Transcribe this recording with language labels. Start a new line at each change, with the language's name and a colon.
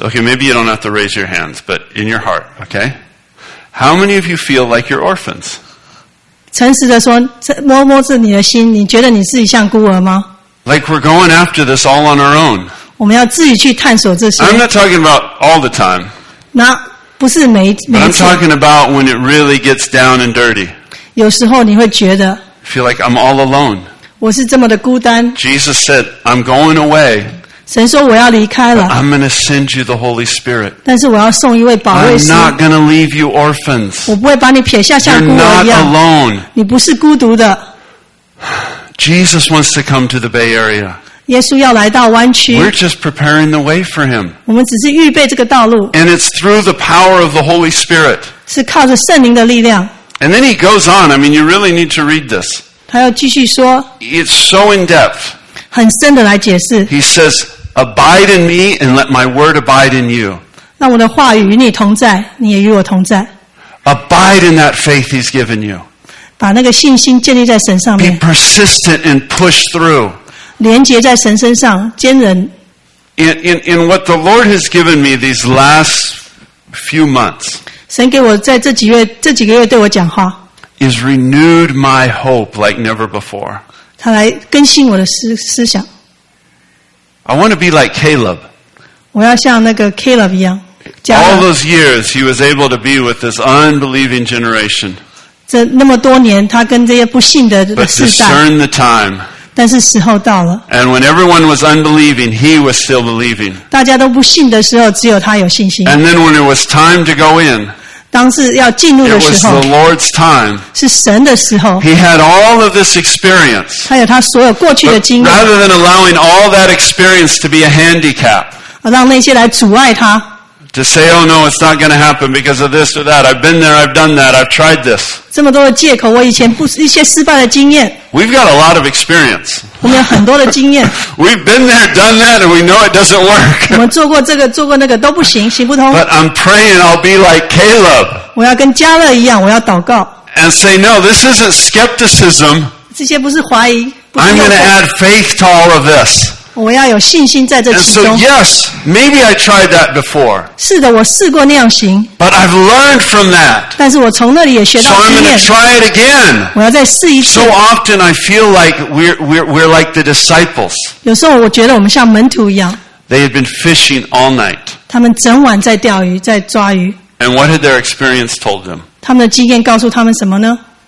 English: Okay, maybe you don't have to raise your hands, but in your heart, okay? How many of you feel like you're orphans?
Chinese: 诚实地说, 摸摸着你的心, 你觉得你自己像孤儿吗?
English: Like we're going after this all on our own.
Chinese: 我们要自己去探索这些。
English: I'm not talking about all the time.
Chinese: 不是每一次,
English: I'm talking about when it really gets down and dirty.
Chinese: 有时候你会觉得,
English: I feel like I'm all alone.
Chinese: 我是这么的孤单,
English: Jesus said, I'm going away.
Chinese: 神说我要离开了,
English: I'm going to send you the Holy Spirit.
Chinese: 但是我要送一位宝贵师,
English: I'm not going to leave you orphans.
Chinese: 我不会把你撇下像孤儿一样,
English: you're not alone.
Chinese: 你不是孤独的,
English: Jesus wants to come to the Bay Area.
Chinese: 耶稣要来到湾区,
English: we're just preparing the way for him.
Chinese: 我们只是预备这个道路,
English: and it's through the power of the Holy Spirit.
Chinese: 是靠着圣灵的力量,
English: and then he goes on. I mean, you really need to read this.
Chinese: 他要继续说,
English: it's so in depth. He says, Abide in me and let my word abide in you.
Chinese: 那我的话语与你同在，你也与我同在。
English: Abide in that faith he's given you.
Chinese: 把那个信心建立在神上面。
English: Be persistent and push through.
Chinese: 连结在神身上，坚忍。
English: In what the Lord has given me these last few months.
Chinese: 神给我在这几个月对我讲话。
English: Is renewed my hope like never before.
Chinese: 他来更新我的思想。
English: I want to be like Caleb.
Chinese: 我要像那个 Caleb 一样。
English: All those years he was able to be with this unbelieving generation.
Chinese: 这那么多年他跟这些不信的世代。
English: But discern the time.
Chinese: 但是时候到了。
English: And when everyone was unbelieving, he was still believing.
Chinese: 大家都不信的时候只有他有信心。
English: And then when it was time to go in,
Chinese: 当是要进入的时候,
English: it was the Lord's time.
Chinese: 是神的时候。
English: He had all of this experience.
Chinese: 他有他所有过去的经验。
English: But rather than allowing all that experience to be a handicap,
Chinese: 让那些来阻碍他。
English: To say, oh no, it's not going to happen because of this or that. I've been there, I've done that, I've tried this.
Chinese: 这么多的借口，我以前不是一些失败的经验。
English: We've got a lot of experience.
Chinese: 我们有很多的经验。
English: We've been there, done that, and we know it doesn't work.
Chinese: 我们做过这个，做过那个，都不行，行不通。
English: But I'm praying I'll be like Caleb.
Chinese: 我要跟加勒一样，我要祷告。
English: And say, no, this isn't skepticism.
Chinese: 这些不是怀疑。
English: I'm going to add faith to all of this.
Chinese: 我要有信心在这其中。
English: And so, yes, maybe I tried that before.
Chinese: 是的，我试过那样行。
English: But I've learned from that.
Chinese: 但是我从那里也学到经验。
English: So I'm going to try it again.
Chinese: 我要再试一次。
English: So often I feel like we're like the disciples.
Chinese: 有时候我觉得我们像门徒一样。
English: They had been fishing all night.
Chinese: 他们整晚在钓鱼，在抓鱼。
English: And what had their experience told them?
Chinese: 他们的经验告诉他们什么呢？